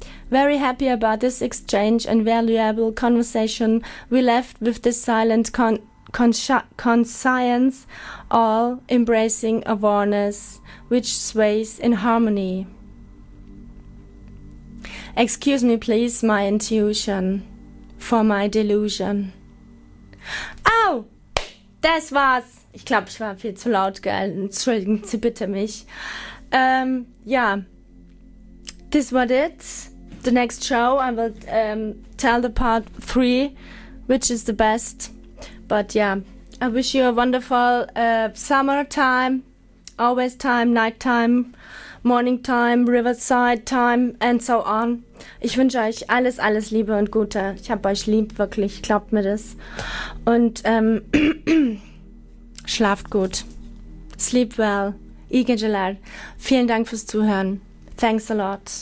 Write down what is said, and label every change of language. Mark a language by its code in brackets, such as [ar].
[en] Very happy about this exchange and valuable conversation, we left with this silent conscience, all embracing awareness, which sways in harmony. Excuse me, please, my intuition, for my delusion. [de] Au! Das war's! Ich glaube, ich war viel zu laut, gell? Entschuldigen Sie bitte mich. [en] Ja, this was it. The next show, I will tell the part 3, which is the best. But yeah, I wish you a wonderful summer time, always time, night time, morning time, riverside time, and so on. [de] Ich wünsche euch alles, alles Liebe und Gute. Ich hab euch lieb, wirklich, glaubt mir das. Und schlaft gut. [en] Sleep well. [de] Igen Gelard. Vielen Dank fürs Zuhören. [en] Thanks a lot.